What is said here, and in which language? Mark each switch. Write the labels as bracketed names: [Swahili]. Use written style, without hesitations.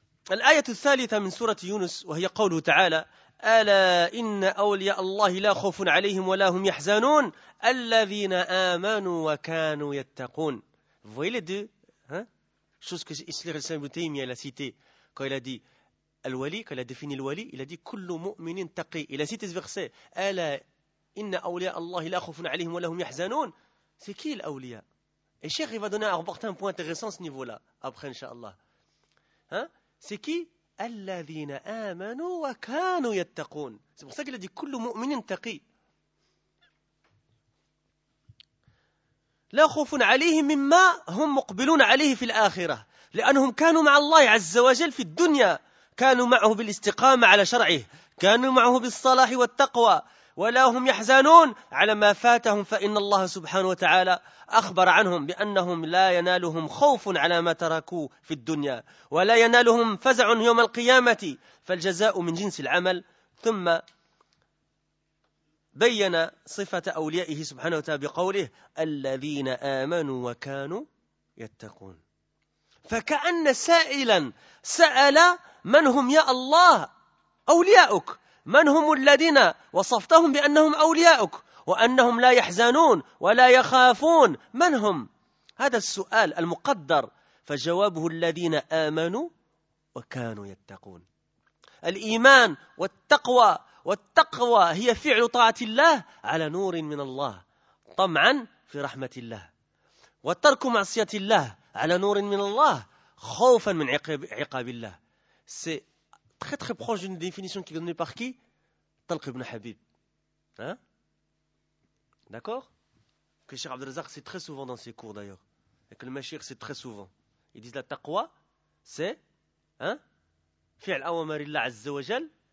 [Arabic] الآية الثالثة من سورة يونس وهي قوله تعالى ألا إن أولياء الله لا خوف عليهم ولا هم يحزنون الذين آمنوا وكانوا يتقون. [French] Vous voyez les deux, hein? Chose que Ishaq Ibn Taymiyyah il a cité quand il a dit Al-Wali, quand il a défini Al-Wali, il a dit [Arabic] كل مؤمن تقي. [French] Il a cité ce verset [Arabic] ألا إن أولياء الله لا خوف عليهم ولا هم يحزنون. [French] C'est qui l'أولياء? Et Cheikh il va donner un certain point intéressant ce niveau-là après Inch'Allah. Hein? C'est qui? [Arabic] Alladhina amanu wa kanu yattaqun. [French] C'est pour ça qu'il a dit [Arabic] kullu mu'minin taqi. La khawfun 'alayhim mimma hum muqbiluna 'alayhi fil akhirah, li'annahum kanu ma'a Allah 'azza wa jalla fid dunya, kanu ma'ahu bil istiqama 'ala shar'ihi, kanu ma'ahu bis salah wat taqwa, wa la hum yahzanun 'ala ma fatahum, fa inna Allah subhanahu wa ta'ala أخبر عنهم بأنهم لا ينالهم خوف على ما تركوا في الدنيا ولا ينالهم فزع يوم القيامة فالجزاء من جنس العمل. ثم بين صفة أوليائه سبحانه وتعالى بقوله الذين آمنوا وكانوا يتقون. فكأن سائلا سأل من هم يا الله أولياؤك؟ من هم الذين وصفتهم بأنهم أولياؤك وأنهم لا يحزنون ولا يخافون؟ من هم؟ هذا السؤال المقدر. فجوابه الذين آمنوا وكانوا يتقون. الإيمان والتقوى، والتقوى هي فعل طاعة الله على نور من الله طمعا في رحمة الله، وترك معصية الله على نور من الله خوفا من عقاب الله. [French] C'est très très proche d'une définition qui est donnée par qui? Talq ibn Habib. D'accord? Que Cheikh Abdelazak c'est très souvent dans ses cours d'ailleurs. Et que le Mashir c'est très souvent. Ils disent la taqwa, c'est. [Arabic] Hein? Fi'al awamarillah azza wa jal.